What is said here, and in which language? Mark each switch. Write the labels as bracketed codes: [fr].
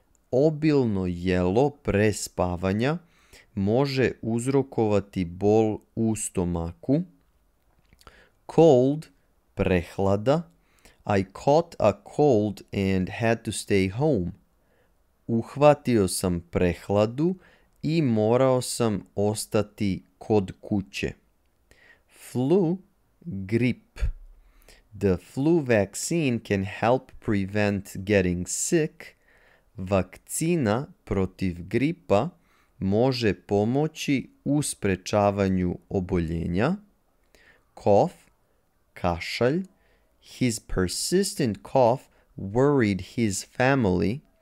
[sr] Obilno jelo pre spavanja može uzrokovati bol u stomaku. [en] Cold, prehlada. I caught a cold and had to stay home. [sr] Uhvatio sam prehladu i morao sam ostati kod kuće. [en] Flu, grip. The flu vaccine can help prevent getting sick. [sr] Vakcina protiv gripa može pomoći u sprečavanju oboljenja. [en] Cough, [sr] kašalj. [en] His persistent cough worried his family.